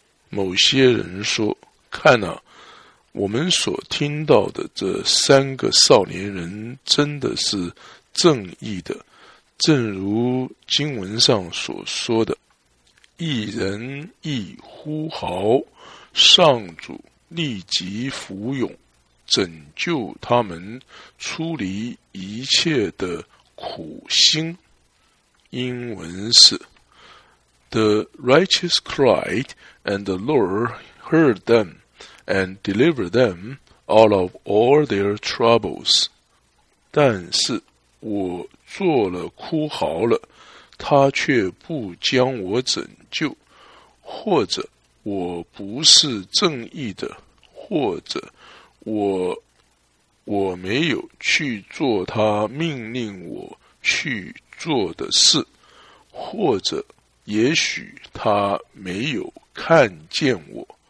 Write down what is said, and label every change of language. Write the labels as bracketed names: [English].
[Chinese] 某些人说，看啊，我们所听到的这三个少年人真的是正义的，正如经文上所说的，一人一呼号，上主立即俯勇拯救他们出离一切的苦心。 [English] 英文是 The righteous cried, and the Lord heard them, and delivered them out of all their troubles. [Chinese] 但是我做了哭嚎了，他却不将我拯救，或者我不是正义的，或者我没有去做他命令我去做的事，或者也许他没有看见我。